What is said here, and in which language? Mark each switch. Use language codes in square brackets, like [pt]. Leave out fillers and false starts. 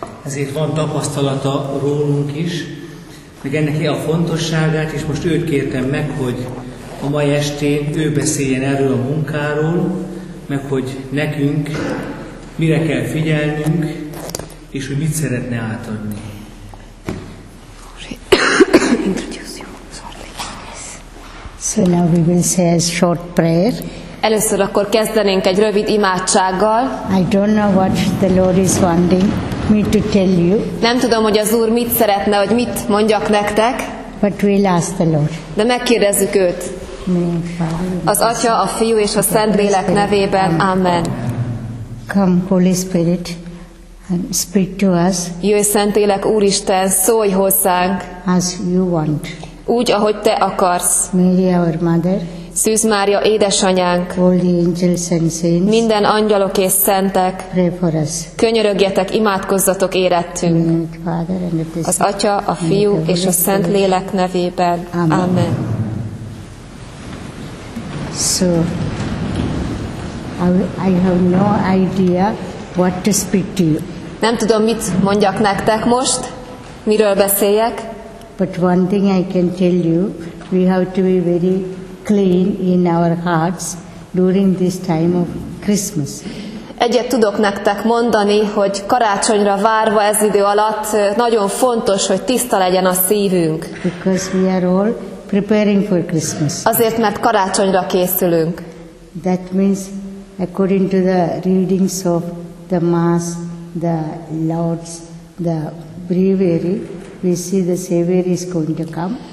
[hu] Ezért van tapasztalata rólunk is, meg ennek a fontosságát, és most őt kértem meg, hogy a mai estén ő beszéljen erről a munkáról, meg hogy nekünk mire kell figyelnünk, és hogy mit szeretne átadni. [en] Introduce you shortly. So now we will say a short prayer. [hu] Először akkor kezdenénk egy rövid imádsággal. [en] I don't know what the Lord is wanting me to tell you. [hu] Nem tudom, hogy az Úr mit szeretne, hogy mit mondjak nektek. [en] But we'll ask the Lord. [hu] De megkérdezzük őt. Az Atya, a Fiú és a Szentlélek nevében. Amen. [en] Come, Holy Spirit, and speak to us. [hu] Jöjj, Szentlélek, Úristen, szólj hozzánk. [en] As you want. [hu] Úgy, ahogy te akarsz. [en] Mary, our mother. [hu] Szűz Mária, édesanyánk. [en] All the angels and saints. [hu] Minden angyalok és szentek. [en] Pray for us. [hu] Könyörögjetek, imádkozzatok érettünk. Az Atya, a Fiú és a Szentlélek nevében. Amen. [en] So, I have no idea what to speak to you. [hu] Nem tudom, mit mondjak nektek most, miről beszéljek. [en] But one thing I can tell you, we have to be very clean in our hearts during this time of Christmas. [hu] Egyet tudok nektek mondani, hogy karácsonyra várva ez idő alatt nagyon fontos, hogy tiszta legyen a szívünk. [en] Because we are all preparing for Christmas. [hu] Azért, mert karácsonyra készülünk. [en] That means according to the readings of the Mass, the Lord's, the breviary, we see the Savior is going to come.